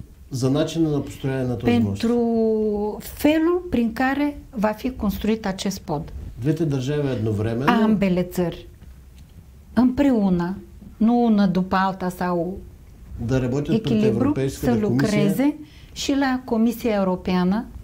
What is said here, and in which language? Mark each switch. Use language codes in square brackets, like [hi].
[bg] За начина на построяване на този мост. [ro] Pentru felul prin care va fi construit acest pod. [bg] Двете държави едновременно. [ro] Ambele țări. Împreună, nu una după alta sau [bg] да работят пред Европейската комисия. [ro] Și la Comisia Europeană